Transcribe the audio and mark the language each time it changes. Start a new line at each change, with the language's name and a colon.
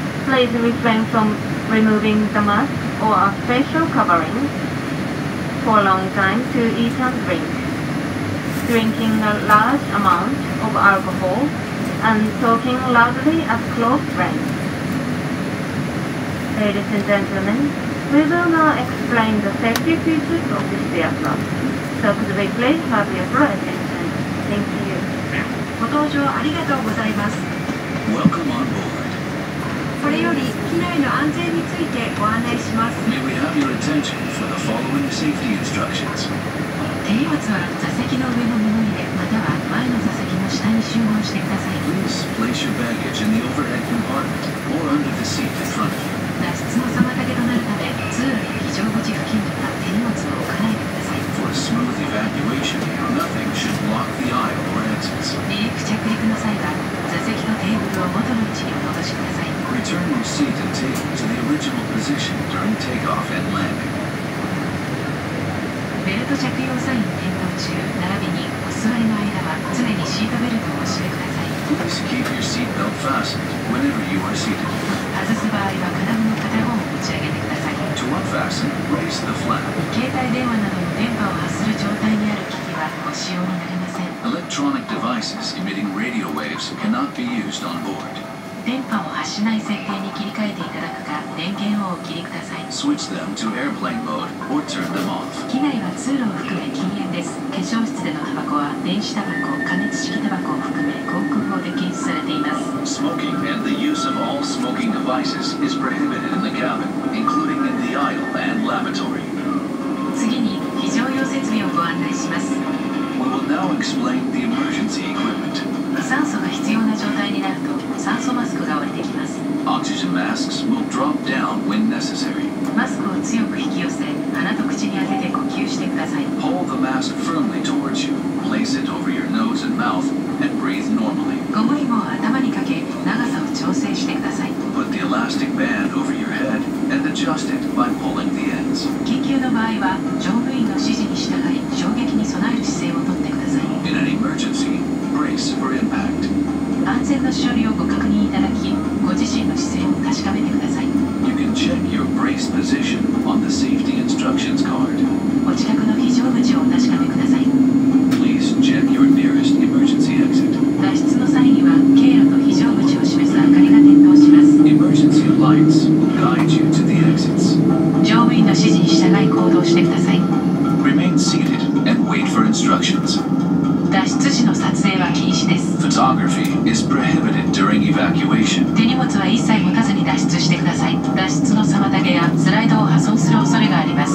English: Please refrain from removing the mask or a facial covering for a long time to eat and drink, drinking a large amount of alcohol, and talking loudly at close range. Ladies and gentlemen,We will now explain the safety features of this aircraft. So could we please have your attention? Thank you.
Japanese: ご搭乗ありがとうございます。
English: Welcome on board.
Japanese: これより機内の安全についてご案内します。
English: May we have your attention for the following safety instructions?
Japanese: 手荷物は座席の上の物入れ、または前の座席の下に集合してください。
English: Please place your baggage in the overhead compartment or under the seat in front of you.
Japanese: 脱出の妨げとなるため、通路や非常口付近には手荷物を置かないでください。
English: For smooth evacuation, nothing should block the aisle or exits.
Japanese: 離陸着陸の際は、座席とテーブルを元の位置にお戻しください。
English: Return your seat and table to the original position during takeoff and landing.
Japanese: ベルト着用サイン点灯中、並びにお座りの間は常にシートベルトをお締めください。
English: Please keep your seat belt fastened whenever you are seated.
Japanese: 外す場合は金具の片方を持ち上げてください。
English: To unfasten, raise the flap.
Japanese: 携帯電話などの電波を発する状態にある機器はご使用になりません。
English: Electronic devices emitting radio waves cannot be used on board.
Japanese: 電波を発しない設定に切り替えていただくか、電源をお切りください。
English: Switch them to airplane mode or turn them off.
Japanese: 機内は通路を含め禁煙です。化粧室でのタバコは電子タバコ、加熱式タバコを含め航空法で禁止されています。
English: Smoking and the use of all smoking devices is prohibited in the cabin, including in the aisle and lavatory.
Japanese: 次に非常用設備をご案内します。
English: We will now explain the emergency equipment.
Japanese: 酸素が必要な状態になると酸素マスクが降りてきます。
English: Oxygen masks will drop down when necessary.
Japanese: マスクを強く引き寄せ、鼻と口に当てて呼吸してください。
English: Hold the mask firmly towards you. Place it over your nose and mouth. And breathe normally.
Japanese: ゴム紐を頭にかけ、長さを調整してください。
English: Put the elastic band over your head and adjust it by pulling the ends.
Japanese: 緊急の場合は、乗務員の指示に従い、衝撃に備える姿勢をとってください。
English: In an emergency, brace for impact.
Japanese: 安全の処理をご確認いただき、ご自身の姿勢を確かめてください。
English: You can check your brace position on the safety instructions card.
Japanese: お近くの非常口をお確かめください。
English: Please check your nearest emergency exit.
Japanese: 脱出の際には経路と非常口を示す明かりが点灯します。
English: Emergency lights will guide you to the exits.
Japanese: 乗務員の指示に従いない行動してください。
English: Remain seated and wait for instructions.
Japanese: 脱出時の撮影は禁止です。
English: Photography is prohibited during evacuation.
Japanese: 手荷物は一切持たずに脱出してください。脱出の妨げやスライドを破損する恐れがあります。